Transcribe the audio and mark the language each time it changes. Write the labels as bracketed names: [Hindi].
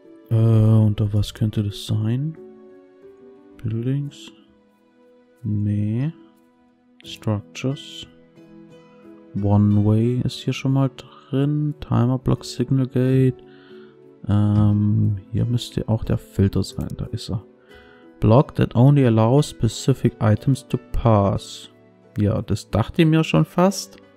[German] Unter was könnte das sein? Buildings? Nee. Structures. One Way ist hier schon mal drin. Timer Block Signal Gate. Hier müsste auch der Filter sein, da ist er. [English] Block that only allows specific items to pass. [German] Ja, das dachte ich mir schon fast.